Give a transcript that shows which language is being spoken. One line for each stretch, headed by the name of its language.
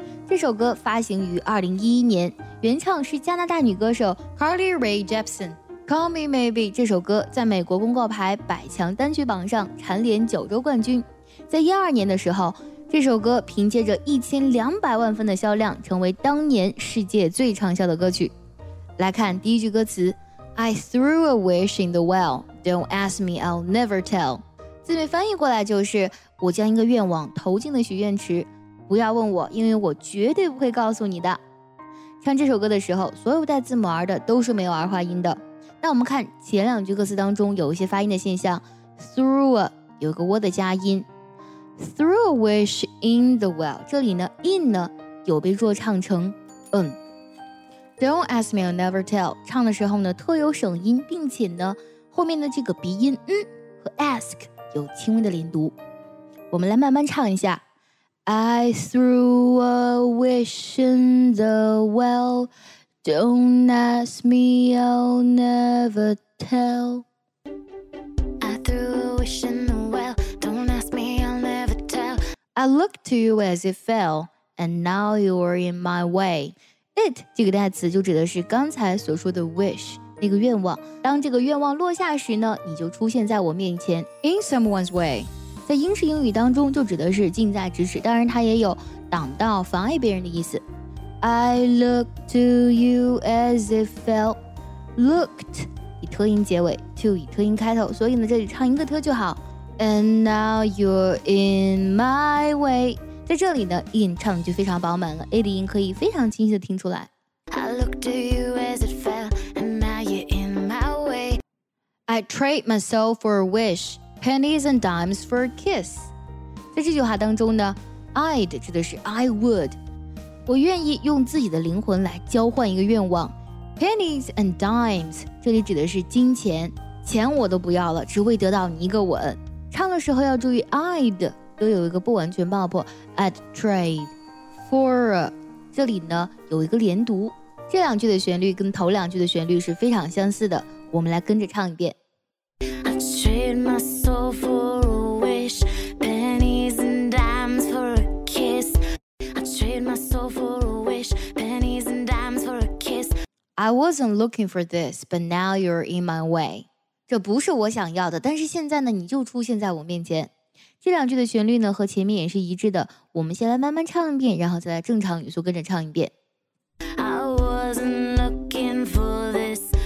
Chinese: 这首歌发行于2011年，原唱是加拿大女歌手 Carly Rae Jepsen。 《Call Me Maybe》这首歌在美国公告牌百强单曲榜上蝉联九周冠军。在12年的时候，这首歌凭借着1200万份的销量，成为当年世界最畅销的歌曲。来看第一句歌词
English: ：I threw a wish in the well. Don't ask me, I'll never tell.
Chinese: 字面翻译过来就是，我将一个愿望投进了许愿池，不要问我，因为我绝对不会告诉你的。唱这首歌的时候，所有带字母儿的都是没有儿化音的。那我们看前两句歌词当中有一些发音的现象， through a 有个窝的加音，
English: through a wish in the well，
Chinese: 这里呢 in 呢有被弱唱成嗯。
English: Don't ask me I'll never tell
Chinese: 唱的时候呢特有省音，并且呢后面的这个鼻音嗯和 ask有轻微的连读，我们来慢慢唱一下。
English: I threw a wish in the well, don't ask me, I'll never tell. I threw a wish in the well, don't ask me, I'll never tell. I looked to you as it fell, and now you're in my way.
Chinese: It 这个代词就指的是刚才所说的 wish。那个愿望，当这个愿望落下时呢，你就出现在我面前。
English: In someone's way，
Chinese: 在英式英语当中就指的是近在咫尺，当然它也有挡道、妨碍别人的意思。
English: I look to you as it fell，
Chinese: looked 以特音结尾 ，to 以特音开头，所以呢这里唱一个特就好。
English: And now you're in my way，
Chinese: 在这里呢 in 唱的就非常饱满了 ，a 的音可以非常清晰的听出来。
English: I look to you as it fell。 I trade myself for a wish, pennies and dimes for a kiss.
Chinese: 在这句话当中呢 ，I'd 指的是 I would， 我愿意用自己的灵魂来交换一个愿望。
English: Pennies and dimes
Chinese: 这里指的是金钱，钱我都不要了，只为得到你一个吻。唱的时候要注意 I'd 都有一个不完全爆破 ，
English: I'd trade for a，
Chinese: 这里呢有一个连读，这两句的旋律跟头两句的旋律是非常相似的。我们来跟着唱一遍。
English: I trade my soul for a wish, pennies and dimes for a kiss. I trade my soul for a wish, pennies and dimes for a kiss. I wasn't looking for this, but now you're in my way.
Chinese: 这不是我想要的，但是现在呢，你就出现在我面前。这两句的旋律呢，和前面也是一致的。我们先来慢慢唱一遍，然后再来正常语速跟着唱一遍。
English: I wasn't looking for this.